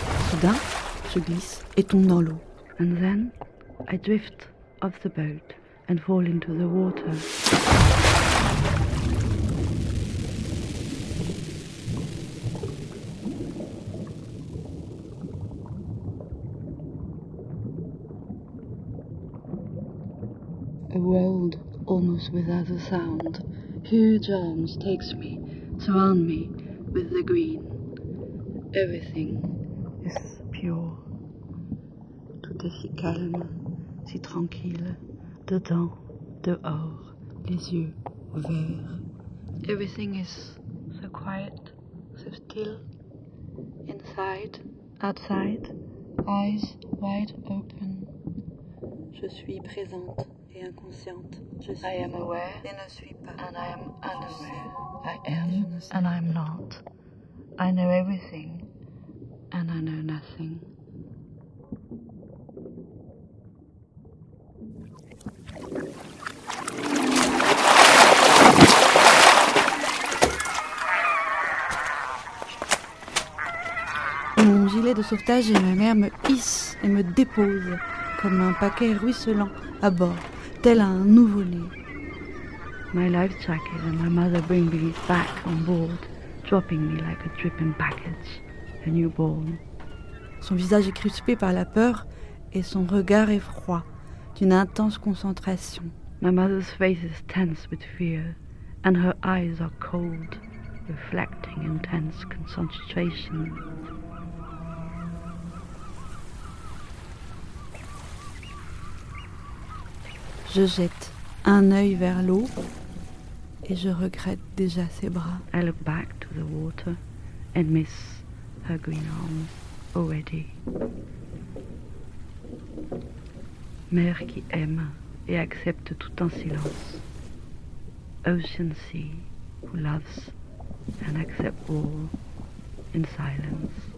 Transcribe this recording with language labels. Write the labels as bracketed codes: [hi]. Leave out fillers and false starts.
[fr] Soudain, je glisse et tombe dans l'eau. [en] And then, I drift off the boat and fall into the water. World almost without a sound. Huge arms takes me, surround me with the green. Everything is pure. [fr] Tout est si calme, si tranquille. Dedans, dehors, les yeux ouverts. [en] Everything is so quiet, so still. Inside, outside, eyes wide open. [fr] Je suis présente. Et inconsciente. Je suis [en] I am aware [fr] et ne suis pas. [en] And I am unaware. I am and I am not. I know everything and I know nothing. Mmh. [fr] Mon gilet de sauvetage et ma mère me hissent et me déposent comme un paquet ruisselant à bord, tel un nouveau-né. [en] My life jacket and my mother bring me back on board, dropping me like a dripping package, a newborn. [fr] Son visage est crispé par la peur et son regard est froid, d'une intense concentration. [en] My mother's face is tense with fear and her eyes are cold, reflecting intense concentration. [fr] Je jette un œil vers l'eau et je regrette déjà ses bras. [en] I look back to the water and miss her green arms already. [fr] Mère qui aime et accepte tout en silence. [en] Ocean sea who loves and accepts all in silence.